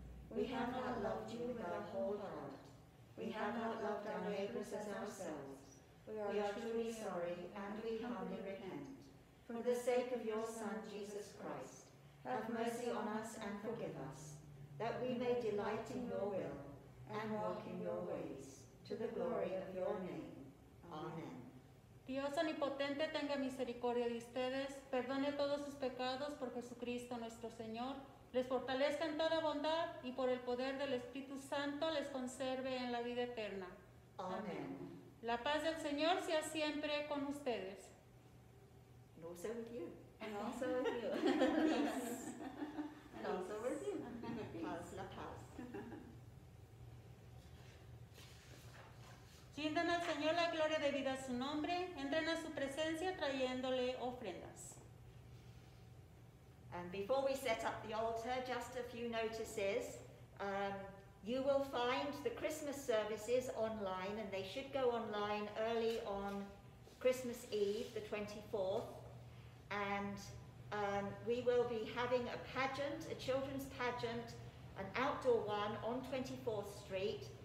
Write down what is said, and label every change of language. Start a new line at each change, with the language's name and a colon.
English: We have not loved you with our whole heart. We have not loved our neighbors as ourselves. We are truly sorry and we humbly repent. For the sake of your Son, Jesus Christ, have mercy on us and forgive us, that we may delight in your will and walk in your ways. To the glory of your name. Amen.
Spanish: Dios omnipotente tenga misericordia de ustedes, perdone todos sus pecados por Jesucristo nuestro Señor, les fortalezca en toda bondad y por el poder del Espíritu Santo les conserve en la vida eterna.
English: Amen.
Spanish: La paz del Señor sea siempre con ustedes.
English: And also with you. And also with you. Peace. And also with you.
Spanish: Paz, la paz. Rindan al Señor la gloria debida a su nombre, entren a su presencia trayéndole ofrendas.
English: And before we set up the altar, just a few notices. You will find the Christmas services online, and they should go online early on Christmas Eve, the 24th. And we will be having a pageant, a children's pageant, an outdoor one on 24th Street.